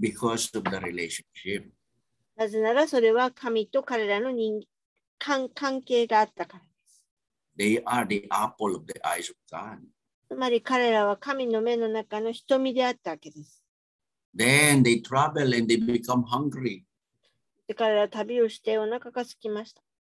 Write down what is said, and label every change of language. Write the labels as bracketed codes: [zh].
[en] Because of the relationship. [ja] なぜならそれは神と彼らの関係があったからです。 [en] They are the apple of the eyes of God. [ja] つまり彼らは神の目の中の瞳であったわけです。 [en] Then they travel and they become hungry. [ja] で彼ら旅をしてお腹が空きました。